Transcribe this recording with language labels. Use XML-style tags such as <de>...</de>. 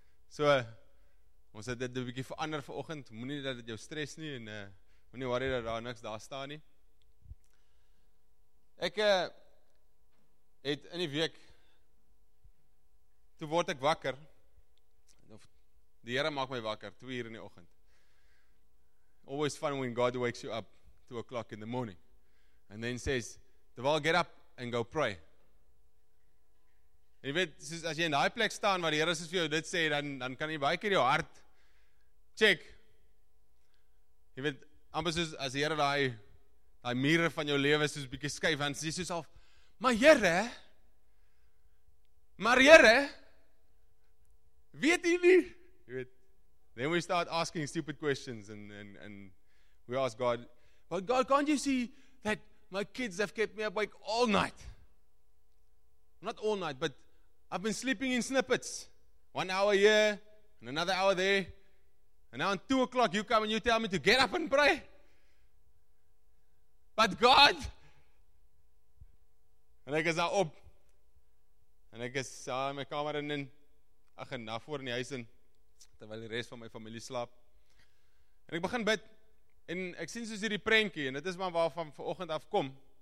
<af>So ons het dit 'n bietjie verander vir oggend. Moenie dat dit jou stres nie en moenie worry dat daar niks daar staan nie. Ek het in die week toe word ek wakker of die Here maak my wakker 2:00 in die oggend.</af> <en>Always fun when God wakes you up 2:00 in the morning and then says, Deval, get up and go pray.</en> <af>En jy weet, soos as jy in die plek staan waar die Here vir jou dit sê, dan kan jy baie keer jou hart check. Jy weet, amper soos as die Here die mure van jou lewe soos bietjie skuif, dan sê jy soos al, maar Here, weet jy nie? Jy weet,</af> <en>then we start asking stupid questions and we ask God, but God, can't you see that my kids have kept me awake all night? Not all night, but I've been sleeping in snippets. 1 hour here and another hour there. And now at 2:00 you come and you tell me to get up and pray. But God, and I guess I'm up. And I guess I'm my camera and then I'm in the house.</en> <af>Terwyl die res van my familie slaap. En ek begin bid en ek sien soos hierdie prentjie en dit is maar waarvan vanoggend af kom.</af>